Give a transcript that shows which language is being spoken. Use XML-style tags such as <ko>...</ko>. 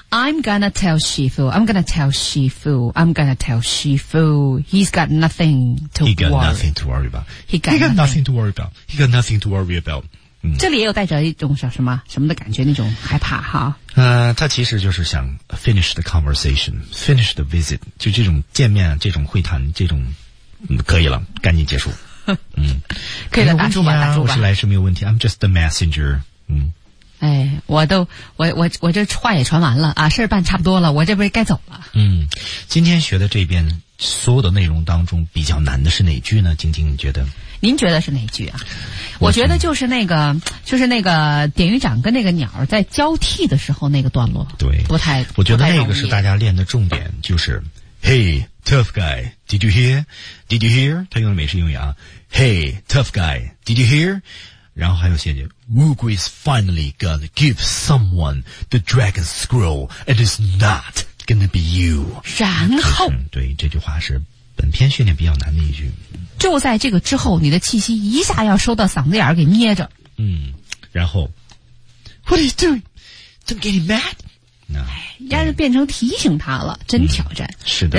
<en>I'm gonna tell Shifu, I'm gonna tell Shifu, I'm gonna tell Shifu, he's got nothing to worry. He got nothing to worry about. He got nothing to worry about. He got nothing to worry about.、嗯、</en> <zh>这里也有带着一种什么的感觉，那种害怕哈。他其实就是想</zh> <en>finish the conversation, finish the visit,</en> <zh>就这种见面，这种会谈，这种，嗯，可以了，赶紧结束。嗯，可以了，打住吧，打住吧。我是来是没有问题 ，</zh> <en>I'm just the messenger。</en> <zh>嗯，哎，我这话也传完了啊，事儿办差不多了，我这不是该走了。嗯，今天学的这边所有的内容当中比较难的是哪句呢？晶晶，你觉得？您觉得是哪句啊？我觉得就是那个典狱长跟那个鸟在交替的时候那个段落。对，不太，我觉得那个是大家练的重点，就是。</zh> <en>Hey, tough guy, did you hear? Did you hear?</en> <zh>他用的美式英语啊。</zh> <en>Hey, tough guy, did you hear?</en> <zh>然后还有下一句</zh> <en>Woogwee's finally gonna give someone the dragon scroll and it's not gonna be you.</en> <zh>然后对，这句话是本篇训练比较难的一句。就在这个之后，你的气息一下要收到嗓子眼给捏着。嗯，然后</zh> <en>What are you doing? Don't get him mad. No,</en> <zh>要是变成提醒他了，真挑战。嗯、是的，</zh>